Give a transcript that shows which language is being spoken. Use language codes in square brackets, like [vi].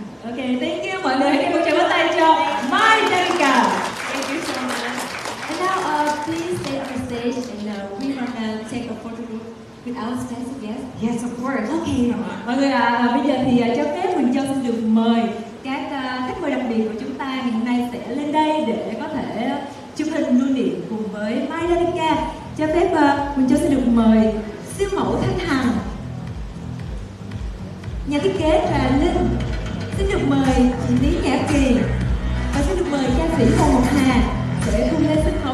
[en] Okay, thank you [vi] mọi người. Hãy cùng chào với tay cho Mai Danica. [en] Thank you so much. And now, please stay on the stage, and we want to take a photo group with our special guest. Yes, of course. Okay. [vi] Mọi người ạ, bây giờ thì cho phép mình cho xin được mời các khách mời đặc biệt của chúng ta hiện nay sẽ lên đây để có thể chụp hình lưu niệm cùng với Mai Danica. Cho phép mình cho xin được mời siêu mẫu Thanh Hằng, nhà thiết kế Trà Linh, xin được mời chị Lý Nhã Kỳ, và xin được mời ca sĩ Hồ Ngọc Hà để cùng lên sân khấu.